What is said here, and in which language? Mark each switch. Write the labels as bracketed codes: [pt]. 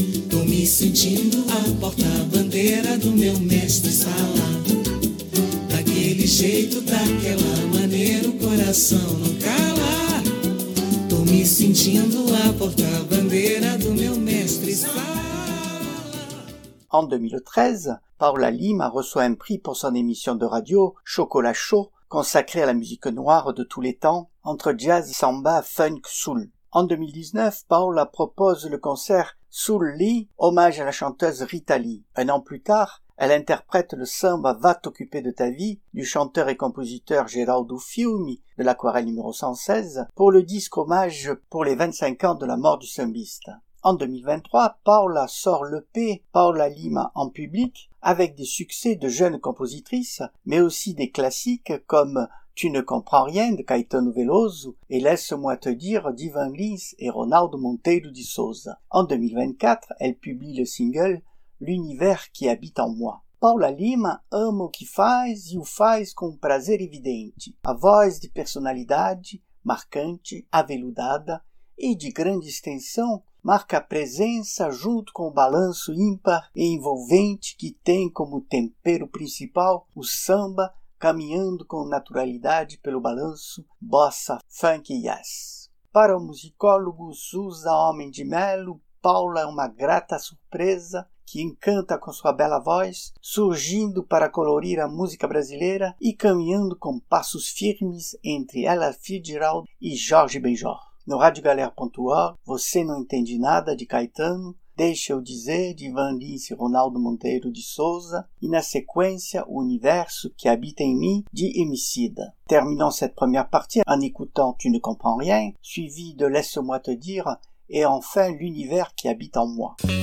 [pt] Tô me sentindo a porta-bandeira do meu mestre Sala. Daquele jeito, daquela maneira, o coração não cala. Tô me sentindo a porta-bandeira do meu mestre Sala. [fr] En 2013, Paola Lim a reçu un prix pour son émission de radio Chocolat Chaud, consacrée à la musique noire de tous les temps, entre jazz, samba, funk, soul. En 2019, Paola propose le concert Soul Lee, hommage à la chanteuse Rita Lee. Un an plus tard, elle interprète le samba Va t'occuper de ta vie, du chanteur et compositeur Geraldo Fiumi, de l'aquarelle numéro 116, pour le disque hommage pour les 25 ans de la mort du sambiste. En 2023, Paola sort l'EP Paola Lima en public avec des succès de jeunes compositrices, mais aussi des classiques comme Tu ne comprends rien de Caetano Veloso et Laisse-moi te dire d'Ivan Lins et Ronaldo Monteiro de Souza. En 2024, elle publie le single L'univers qui habite en moi. [pt] Paola Lima ama o que faz e o faz com prazer evidente, a voz de personalidade marcante, aveludada e de grande extensão. Marca a presença junto com o balanço ímpar e envolvente que tem como tempero principal o samba, caminhando com naturalidade pelo balanço bossa, funk e jazz. Para o musicólogo Souza Homem de Melo, Paola é uma grata surpresa que encanta com sua bela voz, surgindo para colorir a música brasileira e caminhando com passos firmes entre Ella Fitzgerald e Jorge Benjor. No radiogalera.org, Você Não Entende Nada, de Caetano, Deixa Eu Dizer, de Ivan Lins e Ronaldo Monteiro de Souza, e na sequência, O Universo que Habita em Mim, de Emicida. [fr] Terminons cette première partie en écoutant Tu ne comprends rien, suivi de Laisse-moi te dire, et enfin L'univers qui habite en moi.